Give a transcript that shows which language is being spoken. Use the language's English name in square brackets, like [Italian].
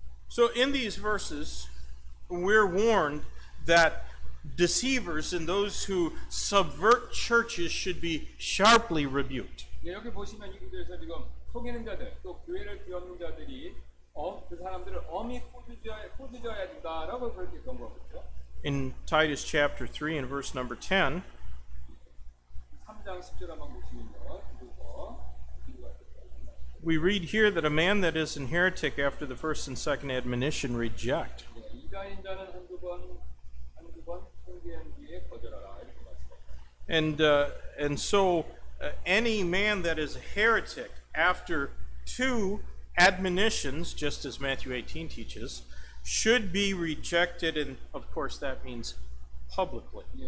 [English] So in these verses, we're warned that deceivers and those who subvert churches should be sharply rebuked. [Korean] 네, 여기 보시면 이분들에서 지금 속이는 자들, 또 교회를 뒤엎는 자들이 그 사람들을 엄히 꾸짖어야 된다라고 그렇게 경고하고 있죠. [English] In Titus chapter 3 and verse number 10, [Korean] 3장 10절 한번 보시면요. 그리고 [English] We read here that a man that is an heretic after the first and second admonition reject. [Korean] 이단인 자는 한두 번 훈계한 뒤에 거절하라. [English] And so any man that is a heretic after two admonitions, just as Matthew 18 teaches, should be rejected, and of course that means publicly.